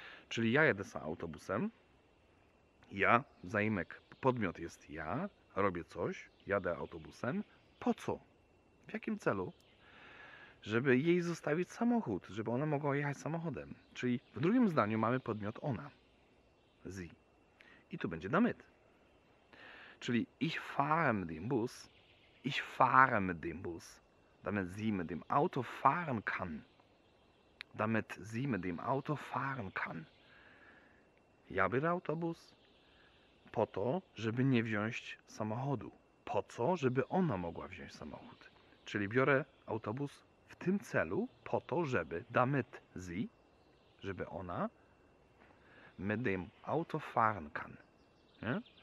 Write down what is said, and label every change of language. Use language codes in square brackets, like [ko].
[pl] Czyli ja jadę sam autobusem, ja, zaimek, podmiot jest ja, robię coś, jadę autobusem. Po co? W jakim celu? Żeby jej zostawić samochód, żeby ona mogła jechać samochodem. Czyli w drugim zdaniu mamy podmiot ona. Sie. I tu będzie damit. Czyli [de] ich fahre mit dem Bus. Ich fahre mit dem Bus. Damit sie mit dem Auto fahren kann. Damit sie mit dem Auto fahren kann. [pl] Ja biorę autobus po to, żeby nie wziąć samochodu. Po co? Żeby ona mogła wziąć samochód. Czyli biorę autobus w tym celu, po to, żeby [de] damit sie, [pl] żeby ona [de] mit dem Auto fahren kann. [pl] Nie?